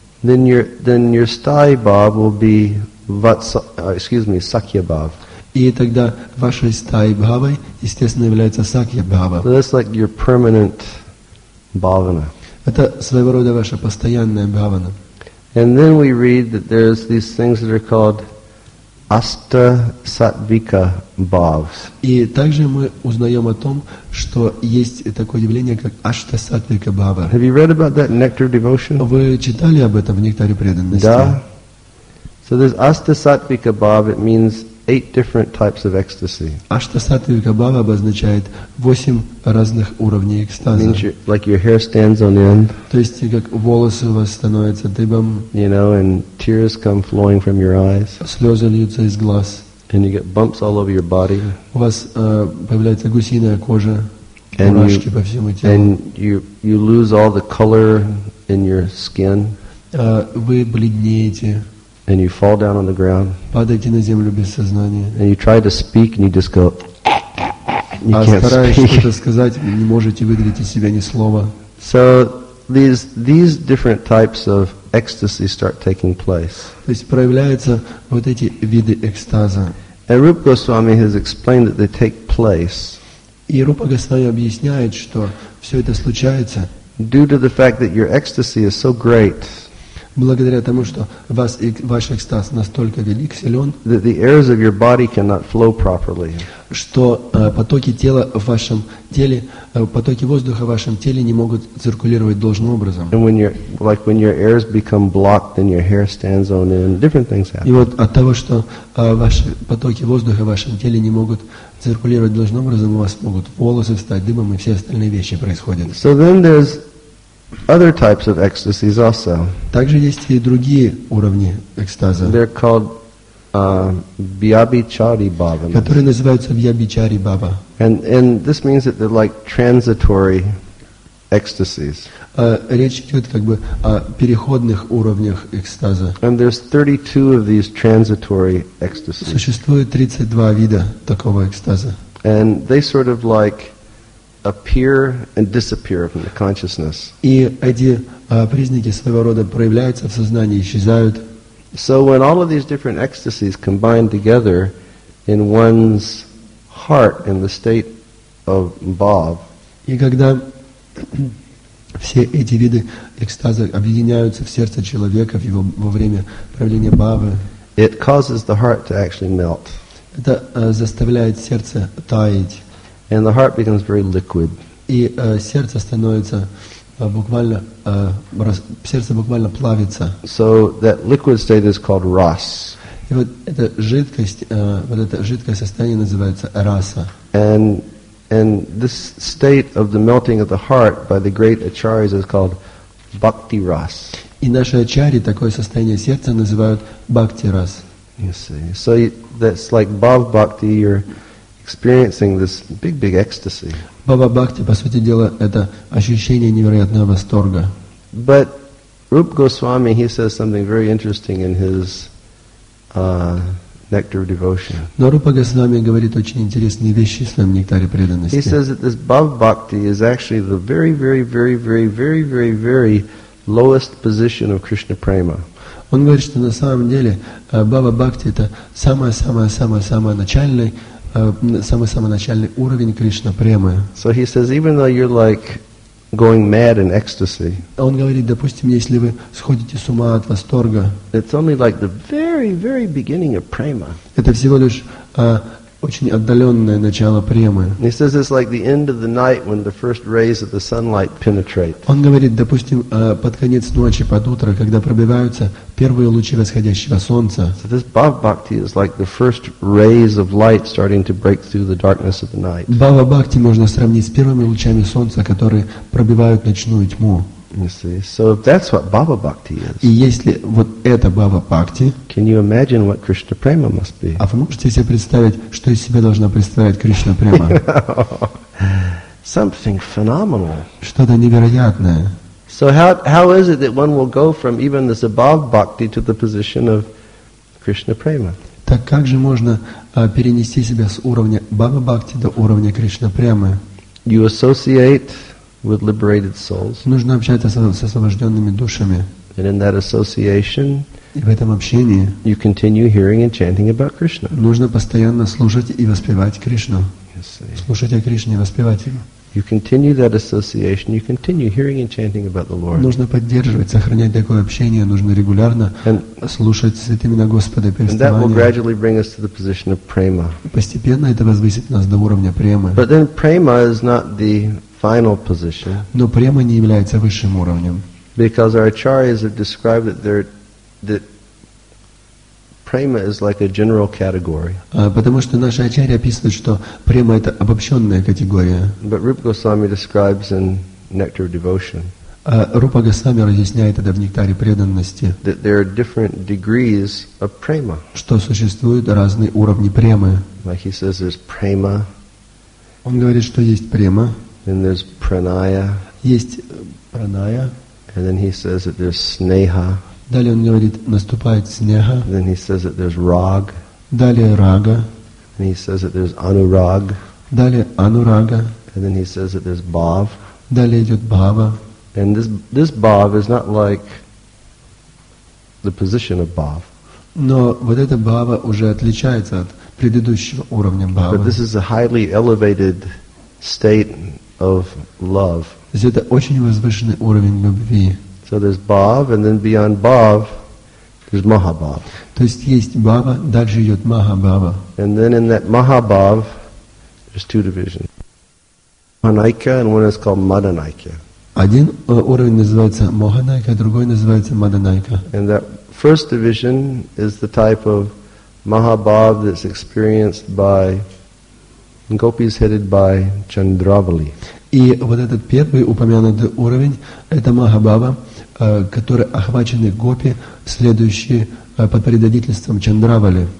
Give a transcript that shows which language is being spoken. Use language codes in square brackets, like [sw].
[en] Then your stai bhav will be sakya bhav. [ru] И тогда вашей стай бхавой, естественно, является сакья бхава. [en] So that's like your permanent bhavana. [ru] Это своего рода ваша постоянная бхавана. [en] And then we read that there's these things that are called Asta Satvika Bhavs. [ru] И также мы узнаем о том, что есть такое явление, как Ашта Сатвика Бхава. [en] Have you read about that nectar devotion? [ru] Вы читали об этом в Нектаре преданности? Да. [en] So there's Asta Satvika Bhav, it means 8 different types of ecstasy. [ru] Ашта Сатвика Бхава обозначает 8 разных уровней экстаза. [en] Means like your hair stands on end. [ru] То есть как волосы у вас становятся дыбом. [en] You know, and tears come flowing from your eyes. [ru] Слезы льются из глаз. [en] And you get bumps all over your body. [ru] У вас появляется гусиная кожа. Мурашки по всему телу. [en] And you lose all the color in your skin. [ru] Вы бледнеете. [en] And you fall down on the ground. [ru] Падаете на землю без сознания. [en] And you try to speak, and you just go. You can't speak. [ru] А стараетесь что-то сказать, не можете выдавить из себя ни слова. [en] So these different types of ecstasy start taking place. [ru] То есть проявляются вот эти виды экстаза. [en] And Rupa Goswami has explained that they take place. [ru] И Рупа Госвами объясняет, что все это случается. [en] Due to the fact that your ecstasy is so great. [ru] Благодаря тому, что ваш экстаз настолько велик, силен, [en] that the airs of your body cannot flow properly. [ru] Что потоки тела в вашем теле, потоки воздуха в вашем теле не могут циркулировать должным образом. [en] And when your airs become blocked, then your hair stands on end. Different things happen. [ru] И вот от того, что ваши потоки воздуха в вашем теле не могут циркулировать должным образом, у вас могут волосы встать дыбом и все остальные вещи происходят. [en] So then there's other types of ecstasies also. [ru] Также есть и другие уровни экстаза. [en] They're called vyabhichari bhavana. [ru] Которые называются вьябичари бхава. [en] And this means that they're like transitory ecstasies. [ru] Речь идет как бы о переходных уровнях экстаза. [en] And there's 32 of these transitory ecstasies. [ru] Существует 32 вида такого экстаза. [en] And they sort of like appear and disappear from the consciousness. [ru] И эти признаки своего рода проявляются в сознании, исчезают. [en] So when all of these different ecstasies combine together in one's heart in the state of bhav. [ru] И когда все эти виды экстаза объединяются в сердце человека в его во время проявления бхавы, [en] it causes the heart to actually melt. [ru] Это заставляет сердце таять. [en] And the heart becomes very liquid. [ru] И сердце становится сердце буквально плавится. [en] So that liquid state is called ras. [ru] И вот эта жидкость, вот это жидкое состояние называется раса. [en] And this state of the melting of the heart by the great acharyas is called bhakti ras. [ru] И наши ачарьи такое состояние сердца называют бхакти рас. [en] You see, so that's like bhav bhakti. You're experiencing this big, big ecstasy. [ru] Баба Бхакти, по сути дела, это ощущение невероятного восторга. [en] But Rupa Goswami, he says something very interesting in his Nectar of Devotion. [ru] Но Рупа Госвами говорит очень интересные вещи в своем Нектаре преданности. [en] He says that this Баба Бхакти is actually the very, very, very, very, very, very, very lowest position of Krishna Prema. [ru] Он говорит, что на самом деле Баба Бхакти это самая начальная самый начальный уровень Кришна Премы. [en] So he says, even though you're like going mad in ecstasy. [ru] Он говорит, допустим, если вы сходите с ума от восторга. [en] It's only like the very, very beginning of prema. [ru] Это всего лишь очень отдаленное начало премы. [en] He says it's like the end of the night when the first rays of the sunlight penetrate. [ru] Он говорит, допустим, под конец ночи, под утро, когда пробиваются первые лучи восходящего солнца. [en] So this bhava bhakti is like the first rays of light starting to break through the darkness of the night. [ru] Bhava bhakti можно сравнить с первыми лучами солнца, которые пробивают ночную тьму. [en] You see, so that's what Baba Bhakti is. [ru] И если вот это Баба Бхакти, [en] can you imagine what Krishna Prema must be? [ru] А вы можете себе представить, что из себя должна представлять Кришна Према? [en] Something phenomenal. [ru] Что-то невероятное. [en] So how is it that one will go from even this above bhakti to the position of Krishna Prema? [ru] Так как же можно перенести себя с уровня Баба Бхакти до уровня Кришна Премы? [en] You associate with liberated souls. [ru] Нужно общаться с освобожденными душами. [en] And in that association, [ru] в этом общении, [en] you continue hearing and chanting about Krishna. [ru] Нужно постоянно слушать и воспевать Кришну. Слушать о Кришне, воспевать Его. [en] You continue that association. You continue hearing and chanting about the Lord. [ru] Нужно поддерживать, сохранять такое общение. Нужно регулярно слушать святые имена Господа. [en] And that will gradually bring us to the position of prema. [ru] Постепенно это возвысит нас до уровня премы. [en] But then prema is not the final position. [ru] Но према не является высшим уровнем. [en] Because our acharyas have described that prema is like a general category. [ru] Потому что наши ачарьи описывают, что према это обобщенная категория. [en] But Rupa Goswami describes in Nectar of Devotion. [ru] Rupa Goswami разъясняет это в Нектаре преданности. [en] That there are different degrees of prema. [ru] Что существуют разные уровни премы. [en] Like he says, there's prema. [ru] Он говорит, что есть према. [en] Then there's pranaya. [ru] Есть праная. [en] And then he says that there's sneha. [ru] Далее он говорит, наступает снега. [en] Then he says that there's rag. [ru] Далее рага. [en] And he says that there's anurag. [ru] Далее анурага. [en] And then he says that there's bhav. [ru] Далее идет бхава. [en] And this bhav is not like the position of bhav. [ru] Но вот эта бхава уже отличается от предыдущего уровня бхава. [en] But this is a highly elevated state of love. [ru] То есть это очень возвышенный уровень любви. [en] So there's bhav, and then beyond bhav, there's mahabhav. [ru] То есть есть бхава, дальше идет махабхава. [en] And then in that mahabhav, there's two divisions. Mohanaika, and one is called Madanaika. [ru] Один уровень называется Моханайка, другой называется Маданайка. [en] And that first division is the type of mahabhav that's experienced by gopis headed by Chandravali. [ru] И вот этот первый упомянутый уровень, это махабхава, которые охвачены гопи, следующие под предводительством Чандравали.